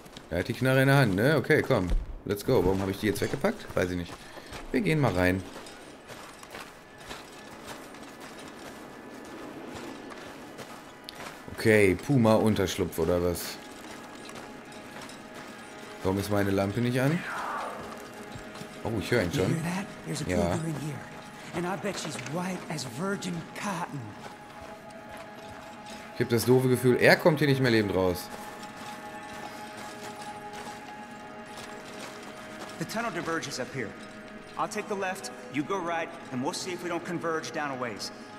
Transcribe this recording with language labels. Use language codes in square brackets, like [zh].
[de] Er hat die Knarre in der Hand, ne? Okay, komm. [en] Let's go. [de] Warum habe ich die jetzt weggepackt? Weiß ich nicht. Wir gehen mal rein. Okay, Puma-Unterschlupf oder was? Warum ist meine Lampe nicht an? Oh, ich höre ihn schon. Ja. [en] And I bet she's white as virgin cotton. [de] Ich habe das doofe Gefühl, er kommt hier nicht mehr lebend raus. [en] The tunnel diverges up here. I'll take the left, you go right, and we'll see if we don't converge down a ways.